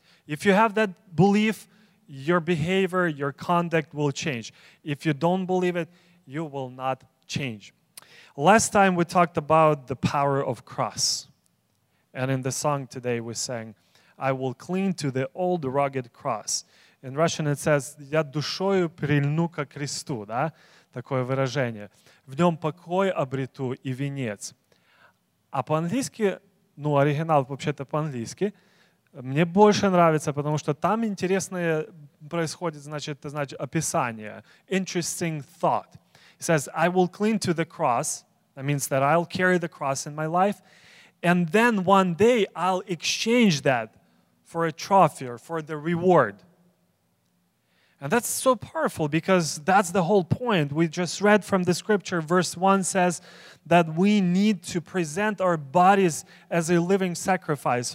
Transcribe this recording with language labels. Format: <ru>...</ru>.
<en>If you have that belief, your behavior, your conduct will change. If you don't believe it, you will not change. Last time we talked about the power of cross. And in the song today we sang, I will cling to the old rugged cross. In Russian it says,</en> <ru>Я душою прильну ко кресту, да? Такое выражение. В нем покой обрету и венец. А по-английски, ну, оригинал вообще-то по-английски, мне больше нравится, потому что там интересное происходит, значит, описание.</ru> <en>Interesting thought. It says, I will cling to the cross. That means that I'll carry the cross in my life. And then one day I'll exchange that for a trophy or for the reward. And that's so powerful because that's the whole point. We just read from the scripture, verse 1 says that we need to present our bodies as a living sacrifice.</en>